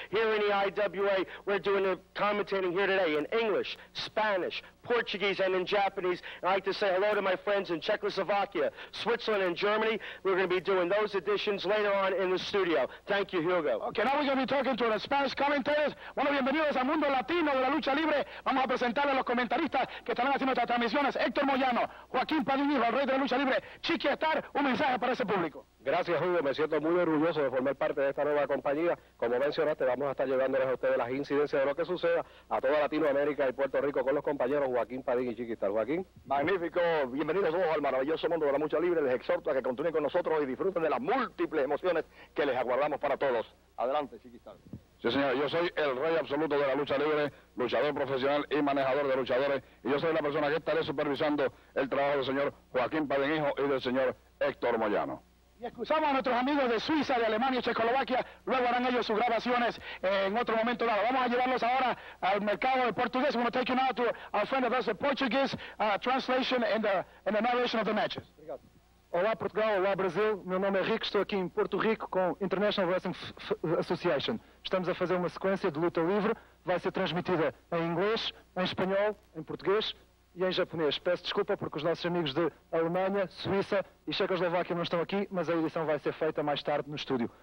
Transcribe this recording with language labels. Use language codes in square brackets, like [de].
[en] Here in the IWA, we're doing the commentating here today in English, Spanish, Portuguese, and in Japanese. I'd like to say hello to my friends in Czechoslovakia, Switzerland, and Germany. We're going to be doing those editions later on in the studio. Thank you, Hugo. Okay, now we're going to be talking to the Spanish commentators. [es] Bueno, bienvenidos al mundo latino de la lucha libre. Vamos a presentar a los comentaristas que estarán haciendo estas transmisiones. Héctor Moyano, Joaquín Padilla, el rey de la lucha libre. Chiqui Star, un mensaje para ese público. Gracias, Hugo. Me siento muy orgulloso de formar parte de esta nueva compañía. Como mencionaste, vamos a estar llevándoles a ustedes las incidencias de lo que suceda a toda Latinoamérica y Puerto Rico con los compañeros Joaquín Padín y Chiquistar. Joaquín. Magnífico. Bienvenidos todos al maravilloso mundo de la lucha libre. Les exhorto a que continúen con nosotros y disfruten de las múltiples emociones que les aguardamos para todos. Adelante, Chiquistar. Sí, señor. Yo soy el rey absoluto de la lucha libre, luchador profesional y manejador de luchadores. Y yo soy la persona que estaré supervisando el trabajo del señor Joaquín Padín Hijo y del señor Héctor Moyano. Y excusamos a nuestros amigos de Suiza, de Alemania y Checoslovaquia, luego harán ellos sus grabaciones en otro momento dado. Vamos a llevarlos ahora al mercado del portugués. [en] We're going to take you now to our friend of us, the Portuguese translation and the narration of the matches. [pt] Olá Portugal, olá Brasil, meu nome é Rico, estou aqui em Porto Rico com International Wrestling Association. Estamos a fazer uma sequência de luta livre, vai ser transmitida em inglês, em espanhol, em português e em japonês. Peço desculpa porque os nossos amigos de Alemanha, Suíça e Checoslováquia não estão aqui, mas a edição vai ser feita mais tarde no estúdio.